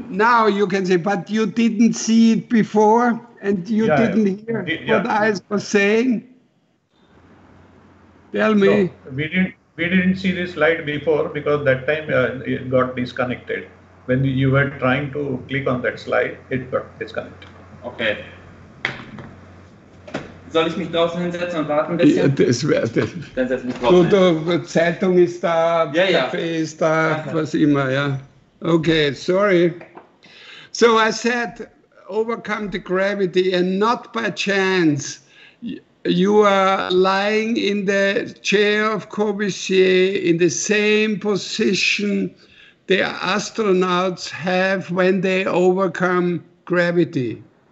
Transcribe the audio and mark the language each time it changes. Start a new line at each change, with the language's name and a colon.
English: Now you can see, but you didn't see it before and you didn't hear what I was saying. Tell me. No, we didn't see the slide before because that time it got disconnected. When you were trying to click on that slide, it got disconnected. Okay.
German: Soll ich mich draußen hinsetzen und warten ein bisschen? Ja, das wäre das. Dann setz mich draußen. Du, Zeitung ist da, Kaffee ist da, was immer, ja.
English: Okay, sorry. So I said, overcome the gravity, and not by chance. You are lying in the chair of Corbusier in the same position the astronauts have when they overcome gravity.